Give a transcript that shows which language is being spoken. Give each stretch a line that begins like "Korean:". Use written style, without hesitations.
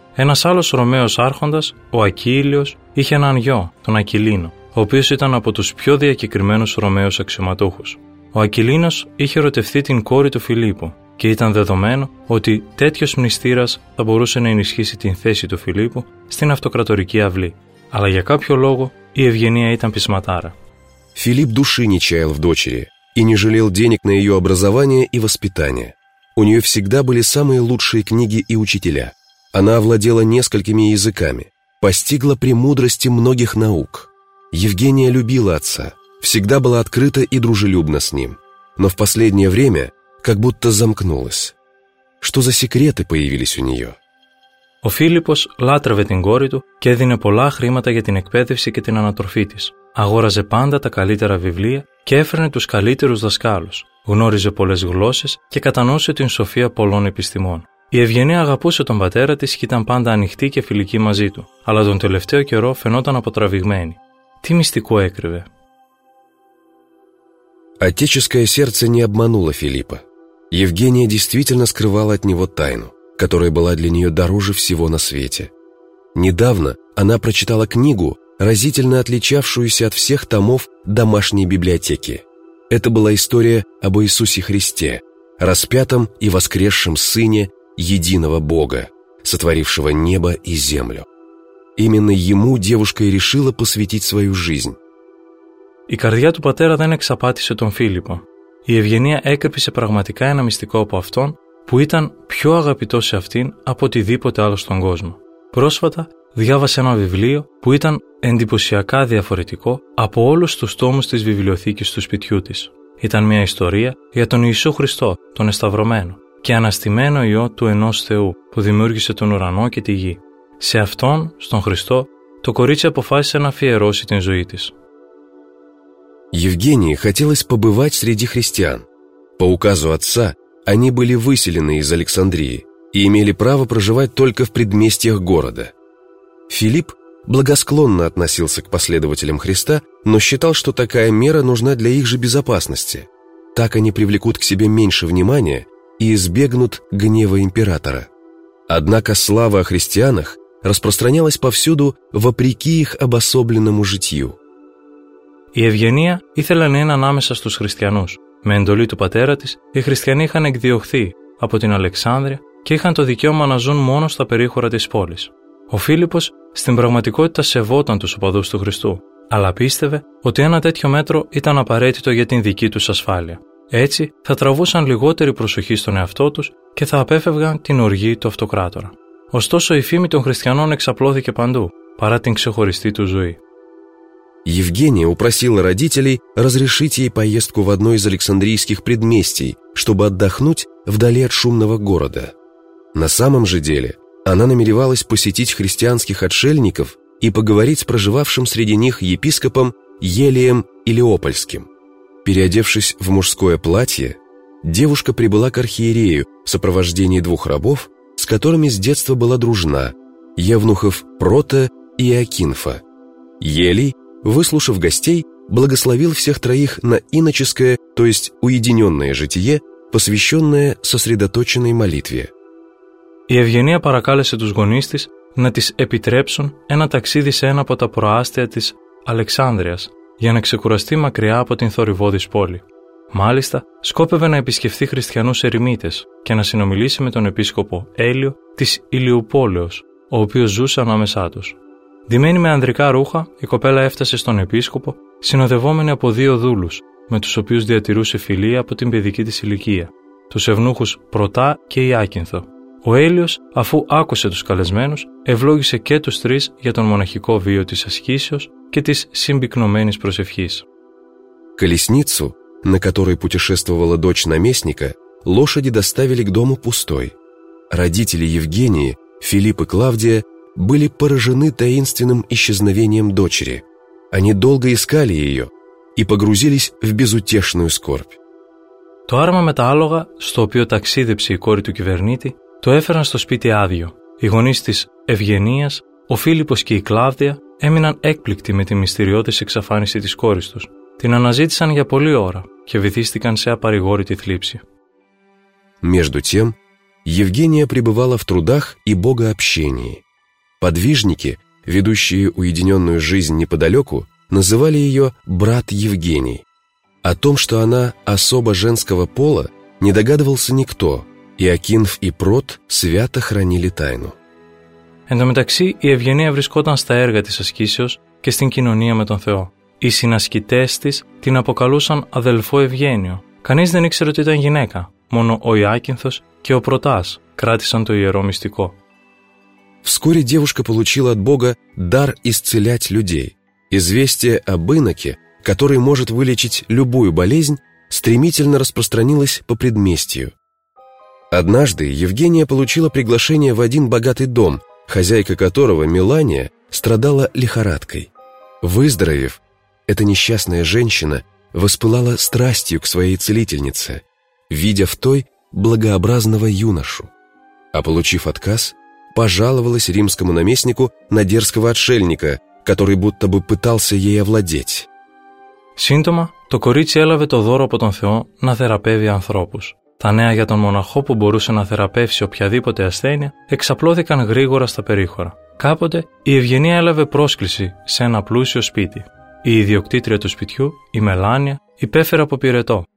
Greek: Ένας άλλος Ρωμαίος άρχοντας, ο Ακύλιος, είχε έναν γιο, τον Ακυλίνο, ο οποίος ήταν από τους πιο διακεκριμένους Ρωμαίους αξιωματούχους. Ο Ακυλίνος είχε ερωτευθεί την κόρη του Φιλίππου και ήταν δεδομένο ότι τέτοιος μνηστήρας θα μπορούσε να ενισχύσει την θέση του Φιλίππου στην αυτοκρατορική αυλή. Αλλά για κάποιο λόγο η Ευγενία ήταν πεισματάρα.
Russian: Филипп души не чаял в дочери и не жалел денег на ее образование и воспитание. У нее всегда были самые лучшие книги и учителя. Она овладела несколькими языками, постигла премудрости многих наук. Евгения любила отца, всегда была открыта и дружелюбна с ним, но в последнее время как будто замкнулась. Что за секреты появились у нее?
Greek: Ο Φίλιππος λάτρευε την κόρη του και έδινε πολλά χρήματα για την εκπαίδευση και την ανατροφή της. Αγόραζε πάντα τα καλύτερα βιβλία και έφερνε τους καλύτερους δασκάλους. Γνώριζε πολλές γλώσσες και κατανόησε την σοφία πολλών επιστημών. Η Ευγενία αγαπούσε τον πατέρα της και ήταν πάντα ανοιχτή και φιλική μαζί του, αλλά τον τελευταίο καιρό φαινόταν αποτραβηγμένη. Τι μυστικό έκρυβε?
Russian: Отеческое сердце не обмануло Филиппа. Евгения действительно скрывала от него тайну, которая была для нее дороже всего на свете. Недавно она прочитала книгу, разительно отличавшуюся от всех томов домашней библиотеки. Это была история об Иисусе Христе, распятом и воскресшем Сыне единого Бога, сотворившего небо и землю. Именно ему девушка и решила посвятить свою жизнь.
Greek: Η καρδιά του πατέρα δεν εξαπάτησε τον Φίλιππο. Η Ευγενία έκρυψε πραγματικά ένα μυστικό από αυτόν που ήταν πιο αγαπητό σε αυτήν από οτιδήποτε άλλο στον κόσμο. Πρόσφατα διάβασε ένα βιβλίο που ήταν εντυπωσιακά διαφορετικό από όλους τους τόμους της βιβλιοθήκης του σπιτιού της. Ήταν μια ιστορία για τον Ιησού Χριστό, τον Εσταυρωμένο και αναστημένο Υιό του ενός Θεού που δημιούργησε τον ουρανό και τη γη. Σε αυτόν, στον Χριστό, το κορίτσι αποφάσισε να αφιερώσει την ζωή της.
Russian: Евгении хотелось побывать среди христиан. По указу отца, они были выселены из Александрии и имели право проживать только в предместьях города. Филипп благосклонно относился к последователям Христа, но считал, что такая мера нужна для их же безопасности. Так они привлекут к себе меньше внимания и избегнут гнева императора. Однако слава о христианах распространялась повсюду вопреки их обособленному житью.
Greek: Η Ευγενία ήθελε να είναι ανάμεσα στους χριστιανούς. Με εντολή του πατέρα της, οι χριστιανοί είχαν εκδιωχθεί από την Αλεξάνδρεια και είχαν το δικαίωμα να ζουν μόνο στα περίχωρα της πόλης. Ο Φίλιππος στην πραγματικότητα σεβόταν τους οπαδούς του Χριστού, αλλά πίστευε ότι ένα τέτοιο μέτρο ήταν απαραίτητο για την δική τους ασφάλεια. Έτσι, θα τραβούσαν λιγότερη προσοχή στον εαυτό τους και θα απέφευγαν την οργή του αυτοκράτορα. Ωστόσο, η φήμη των χριστιανών εξαπλώθηκε παντού, παρά την ξεχωριστή του ζωή.
Russian: Евгения упросила родителей разрешить ей поездку в одно из Александрийских предместий, чтобы отдохнуть вдали от шумного города. На самом же деле, она намеревалась посетить христианских отшельников и поговорить с проживавшим среди них епископом Елием Илеопольским. Переодевшись в мужское платье, девушка прибыла к архиерею в сопровождении двух рабов, с которыми с детства была дружна, евнухов Прота и Акинфа. Елий, выслушав гостей, благословил всех троих на иноческое, то есть уединенное житие, посвященное сосредоточенной молитве.
Greek: Η Ευγενία παρακάλεσε τους γονείς της να της επιτρέψουν ένα ταξίδι σε ένα από τα προάστια της Αλεξάνδρειας για να ξεκουραστεί μακριά από την θορυβώδης πόλη. Μάλιστα, σκόπευε να επισκεφθεί χριστιανούς ερημίτες και να συνομιλήσει με τον επίσκοπο Έλιο της Ηλιουπόλεως, ο οποίος ζούσε ανάμεσά τους. Ντυμένη με ανδρικά ρούχα, η κοπέλα έφτασε στον επίσκοπο, συνοδευόμενη από δύο δούλους, με τους οποίους διατηρούσε φιλία από την παιδική της ηλικία, τους ευνούχους Πρωτά και Ιάκυνθο. Ο Έλιος, αφού άκουσε τους καλεσμένους, ευλόγησε και τους τρεις για τον μοναχικό βίο της ασκήσεως και της συμπυκνωμένης προσευχής.
Russian: Колесницу, на которой путешествовала дочь наместника, лошади доставили к дому пустой. Родители Евгении, Филипп и Клавдия, были поражены таинственным исчезновением дочери. Они долго искали ее и погрузились в безутешную скорбь.
Greek: Το άρμα με τα άλογα, στο οποίο ταξίδεψε η κόρη του κυβερνήτη, το έφεραν στο σπίτι άδειο. Οι γονείς της Ευγενίας, ο Φίλιππος και η Κλάβδια, έμειναν έκπληκτοι με τη μυστηριώδης εξαφάνιση της κόρης τους. Την αναζήτησαν για πολλή ώρα και βυθίστηκαν σε απαρηγόρητη θλίψη.
Russian: Между тем, Евгения пребывала в трудах и богообщении. Подвижники, ведущие уединенную жизнь неподалеку, называли ее «брат Евгений». О том, что она особа женского пола, не догадывался никто, и Акинф и Прот свято хранили тайну.
Greek: Εν τω μεταξύ, η Ευγενία βρισκόταν στα έργα της ασκήσεως και στην κοινωνία με τον Θεό. Οι συνασκητές της την αποκαλούσαν αδελφό Ευγένιο. Κανείς δεν ήξερε ότι ήταν γυναίκα. Μόνο ο Ιάκυνθος και ο Πρωτάς κράτησαν το ιερό μυστικό.
Russian: Вскоре девушка получила от Бога дар исцелять людей. Известие об иноке, который может вылечить любую болезнь, стремительно распространилось по предместью. Однажды Евгения получила приглашение в один богатый дом, хозяйка которого, Мелания, страдала лихорадкой. Выздоровев, эта несчастная женщина воспылала страстью к своей целительнице, видя в той благообразного юношу. А получив отказ, пожаловалась римскому наместнику на дерзкого отшельника, который будто бы пытался ей овладеть.
Greek: Сύντομα, το κορίτσι έλαβε το δώρο από τον Θεό να θεραπεύει ανθρώπους. Τα νέα για τον μοναχό που μπορούσε να θεραπεύσει οποιαδήποτε ασθένεια εξαπλώθηκαν γρήγορα στα περίχωρα. Κάποτε, η Ευγενία έλαβε πρόσκληση σε ένα πλούσιο σπίτι. Η ιδιοκτήτρια του σπιτιού, η Μελάνια, υπέφερε από πυρετό.